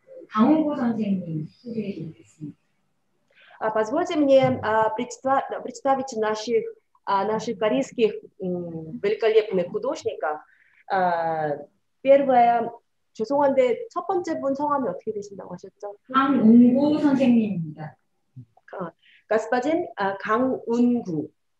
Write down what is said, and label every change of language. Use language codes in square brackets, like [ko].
[ko] 강홍구 선생님 소개해 드리겠습니다. [ru] Позвольте мне представить наших корейских великолепных художников. Первое, [ko] 죄송한데 첫 번째 분 성함이 어떻게 되신다고 하셨죠? 강운구 선생님입니다. [ru] Господин 강운구.